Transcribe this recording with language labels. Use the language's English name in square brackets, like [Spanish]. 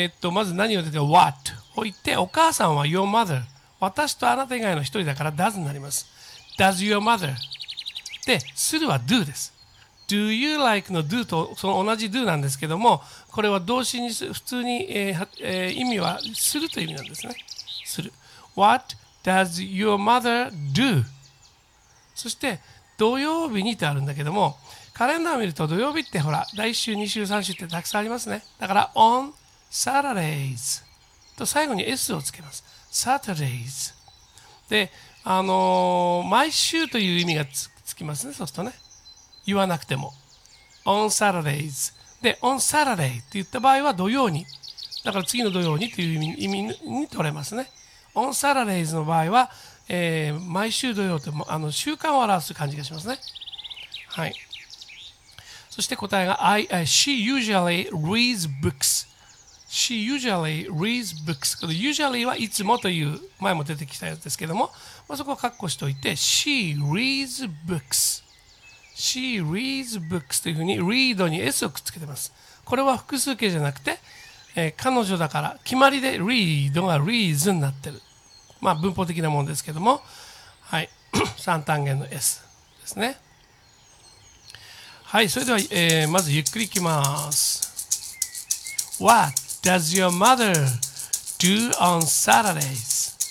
[Japanese] まず何を出て、what を言って、お母さんは your mother。私とあなた以外の一人だから does になります。 does your mother。 で、するは do です。 do you like の do とその同じ do なんですけども、これは動詞に普通に、意味はするという意味なんですね。する。 [English] what does your mother do? [Japanese] そして、土曜日にとあるんだけども、カレンダーを見ると土曜日ってほら、第1週、2週、3週ってたくさんありますね。だから、onSaturdays と最後に S をつけます。 Saturdays で、毎週という意味がつきますね。そうするとね。言わなくても。 On Saturdays で、On Saturday って言った場合は土曜に。だから次の土曜にという意味に取れますね。On Saturdays の場合は、毎週土曜って週間を表す感じがしますね。はい。 [English] そして答えが、She usually reads books. She usually reads books. [Japanese] Usually はいつもという前も出てきたやつですけども、まあ、そこはカッコしておいて [English] She reads books. [Japanese] She reads books というふうに read に S をくっつけてます。これは複数形じゃなくて、彼女だから決まりで read が reads になってる。まあ文法的なものですけども、はい。三単元の S ですね。はい。それでは、まずゆっくりいきます。 [English] What? Does your mother do on Saturdays?